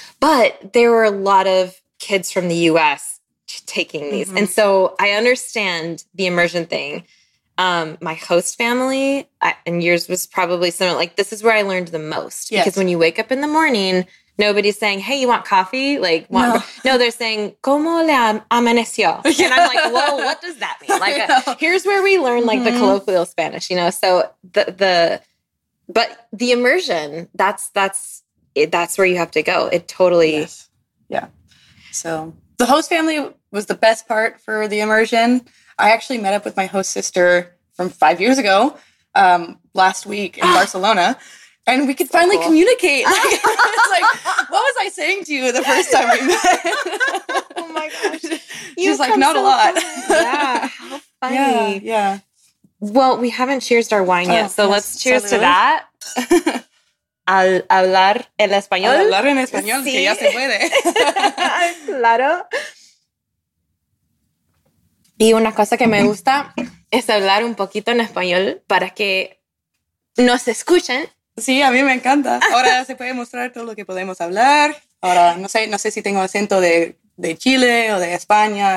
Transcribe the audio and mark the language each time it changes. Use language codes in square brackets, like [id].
[en] But there were a lot of kids from the U.S. taking these. Mm-hmm. And so I understand the immersion thing. My host family, and yours was probably similar, like, this is where I learned the most. Yes. Because when you wake up in the morning, nobody's saying, hey, you want coffee? Like, want no, they're saying, [es] ¿cómo le amaneció? [en] And I'm like, whoa, what does that mean? Like, here's where we learn, like, the colloquial Spanish, you know? So the immersion, that's where you have to go. It totally. Yes. Yeah. So the host family was the best part for the immersion. I actually met up with my host sister from 5 years ago last week in Barcelona. And we could finally communicate. It's like, what was I saying to you the first time we met? Oh my gosh. She's like, not a lot. Yeah, how funny. Yeah, yeah. Well, we haven't cheersed our wine yet, so let's cheers to that. [es] Al hablar el español. Al hablar en español, que ya se puede. Claro. Y una cosa que me gusta es hablar un poquito en español para que nos escuchen. Sí, a mí me encanta. Ahora se puede mostrar todo lo que podemos hablar. Ahora, no sé si tengo acento de Chile o de España.